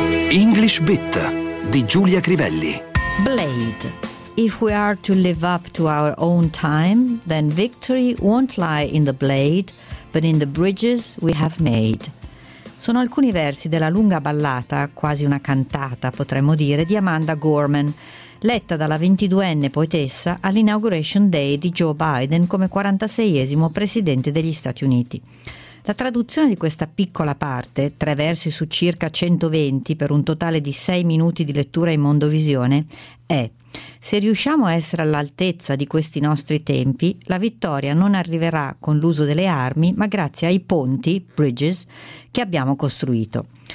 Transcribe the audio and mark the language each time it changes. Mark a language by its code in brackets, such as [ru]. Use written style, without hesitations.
[it] English Bit di Giulia Crivelli. [en] Blade. If we are to live up to our own time, then victory won't lie in the blade, but in the bridges we have made. [it] Sono alcuni versi della lunga ballata, quasi una cantata potremmo dire, di Amanda Gorman, letta dalla 22enne poetessa all'Inauguration Day di Joe Biden come 46esimo presidente degli Stati Uniti. La traduzione di questa piccola parte, tre versi su circa 120 per un totale di 6 minuti di lettura in Mondovisione, è: se riusciamo a essere all'altezza di questi nostri tempi, la vittoria non arriverà con l'uso delle armi, ma grazie ai ponti, bridges, che abbiamo costruito.